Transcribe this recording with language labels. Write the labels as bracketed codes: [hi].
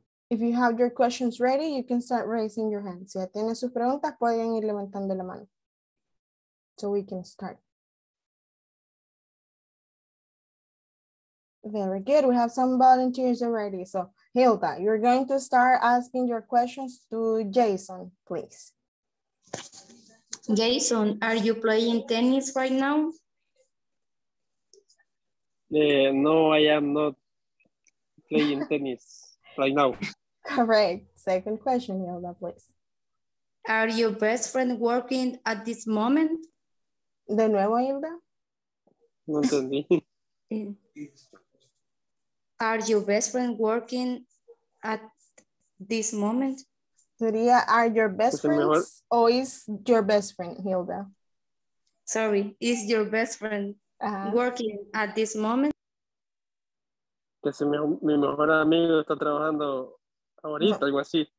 [en] If you have your questions ready, you can start raising your hand. [es] Si ya tienen sus preguntas, pueden ir levantando la mano. [en] So we can start. Very good. We have some volunteers already. So Hilda, you're going to start asking your questions to Jason, please. Jason, are you playing tennis right now? No, I am not playing tennis right now. Correct. Second question, Hilda, please. Are your best friend working at this moment? [es] De nuevo, Hilda. No entendí. [en] Are your best friend working at this moment? [es] Sería, [en] are your best friends or is your best friend, Hilda? Sorry, is your best friend working at this moment? [es] Que si mi mejor amigo está trabajando ahorita, algo así.